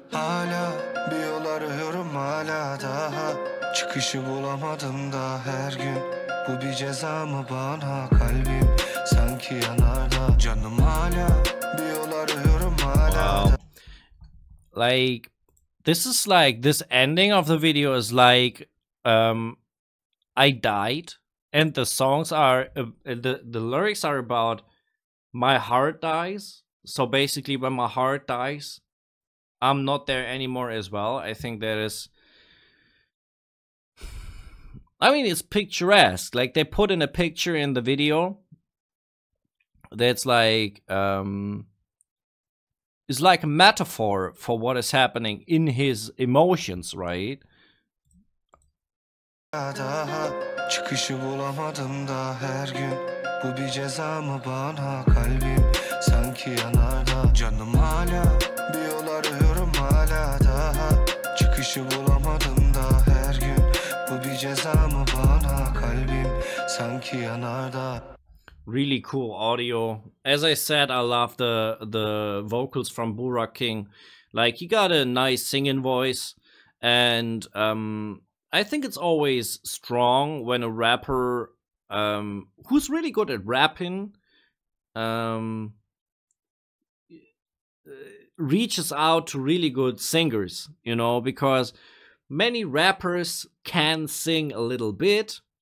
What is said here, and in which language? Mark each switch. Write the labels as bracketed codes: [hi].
[tr] Hala bir yol arıyorum, hala daha çıkışı bulamadım da her gün. Bu bir ceza mı bana, kalbim sanki yanardağ. Canım hala bir yol arıyorum, hala [en] like this is like this ending of the video is like I died, and the songs are the lyrics are about my heart dies. So basically when my heart dies, I'm not there anymore as well. I think that is, I mean, it's picturesque, like they put in a picture in the video that's like it's like a metaphor for what is happening in his emotions, right? [tr] daha çıkışı bulamadım da her gün bu bir ceza mı bana kalbim sanki yanarda canım hala bir yol arıyorum hala daha çıkışı bulamadım da her gün bu bir ceza mı bana kalbim sanki yanarda. [en] Really cool audio. As I said, I love the vocals from Burak King. Like, he got a nice singing voice, and I think it's always strong when a rapper who's really good at rapping reaches out to really good singers, you know, because many rappers can sing a little bit.